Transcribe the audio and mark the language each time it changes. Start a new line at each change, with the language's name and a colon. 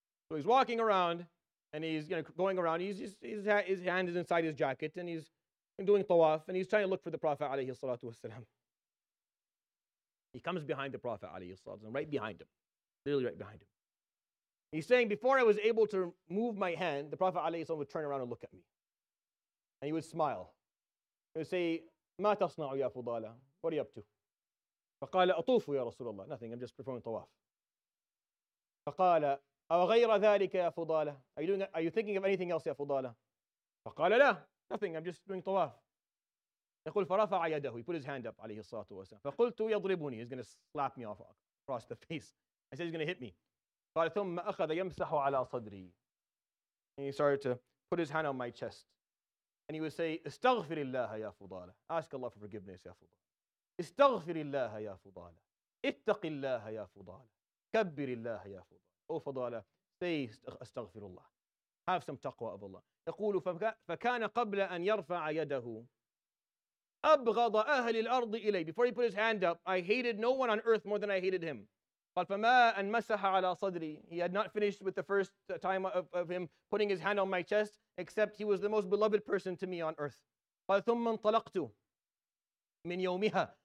English: So he's walking around, and he's going around. His hand is inside his jacket, and he's doing tawaf, and he's trying to look for the Prophet alayhi salatu wasalam. He comes behind the Prophet alayhi salatu wasalam, right behind him, literally right behind him. He's saying, before I was able to move my hand, the Prophet alayhi salam would turn around and look at me. And he would smile. He would say,
Arabic: مَا تَصْنَعُ يَا فُضَالَ?
English: What are you up to?
Arabic: فَقَالَ أَطُوفُ يَا رَسُولَ اللَّهِ.
English: Nothing, I'm just performing tawaf.
Arabic: فَقَالَ أَوَغَيْرَ ذَلِكَ يَا فُضَالَ?
English: Are you thinking of anything else, يَا فُضَالَ?
Arabic: فَقَالَ لَا.
English: Nothing, I'm just doing tawaf.
Arabic: يقول فرفع يده.
English: He put his hand up, عليه الصلاة والسلام.
Arabic: فقلت يضربني.
English: He's going to slap me off across the face. I said he's going to hit me.
Arabic: قال ثم أخذ يمسح على صدري.
English: And he started to put his hand on my chest. And he would say,
Arabic: استغفر الله يا فضالة.
English: Ask Allah for forgiveness, يا فضالة.
Arabic: استغفر الله يا فضالة. اتق الله يا فضالة. كبر الله يا فضالة.
English: Oh فضالة, say استغفر الله. Have some taqwa of Allah.
Arabic: يقول فكان قبل أن يرفع يده أبغض أهل الأرض إلي.
English: Before he put his hand up, I hated no one on earth more than I hated him.
Arabic: قال فما أن مسح على صدري.
English: He had not finished with the first time of him putting his hand on my chest, except he was the most beloved person to me on earth.
Arabic: قال ثم انطلقت من يومها.